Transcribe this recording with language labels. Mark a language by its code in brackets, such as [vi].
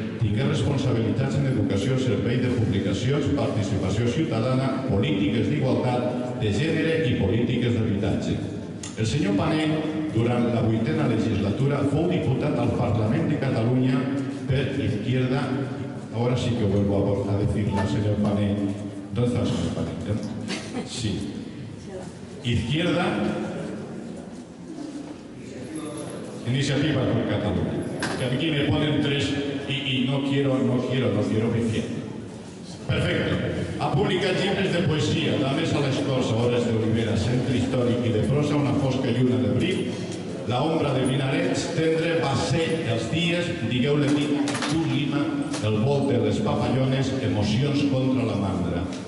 [ca] Tingué responsabilitats en educació, servei de publicacions, participació ciutadana, polítiques d'igualtat de gènere i polítiques d'habitatge. El senyor Pané, durant la 8ª legislatura, fou diputat al Parlament de Catalunya per Izquierda. [es] Ahora sí que vuelvo a decirle al senyor Pané. ¿Dónde está el senyor Pané? Sí. Izquierda. Iniciativa por Catalunya. Que aquí me ponen 3 y no quiero Izquierda. [ca] Perfecte. Ha publicat llibres de poesia, d'Ames a les Corts, Hores d'Olivera, Centre Històric i de Prosa, Una fosca lluna d'abril, La ombra de Minarets, Tendre, Va ser els dies, Digueu-le mi, Tu lima, El vol de les papallones, Emocions contra la mandra.